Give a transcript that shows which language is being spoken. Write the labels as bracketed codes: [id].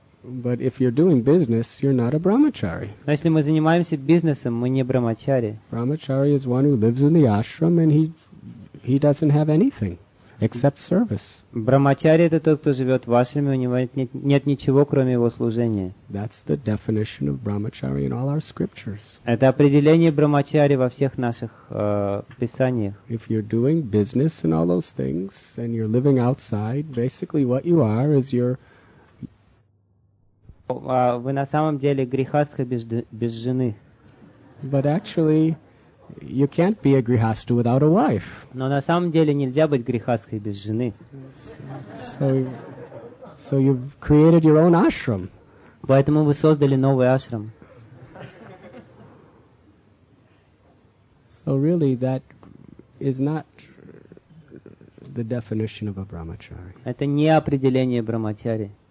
[en] But if you're doing business, you're not a brahmachari. [ru] Но если мы занимаемся бизнесом, мы не брахмачари. [en] Brahmachari is one who lives in the ashram and he doesn't have anything except service. [ru] Брахмачари это тот, кто живет в ашраме, у него нет ничего, кроме его служения. [en] That's the definition of brahmachari in all our scriptures. [ru] Это определение брахмачари во всех наших писаниях. [en] If you're doing business and all those things and you're living outside, basically what you are is you're [ru] вы на самом деле грихастха без жены. [en] But actually, you can't be a grihastha without a wife. [ru] Но на самом деле нельзя быть грихастхой без жены. [en] So you've created your own ashram. [ru] Поэтому вы создали новый ашрам. [en] So really, that is not the definition of a brahmachari. [ru] Это не определение брахмачари.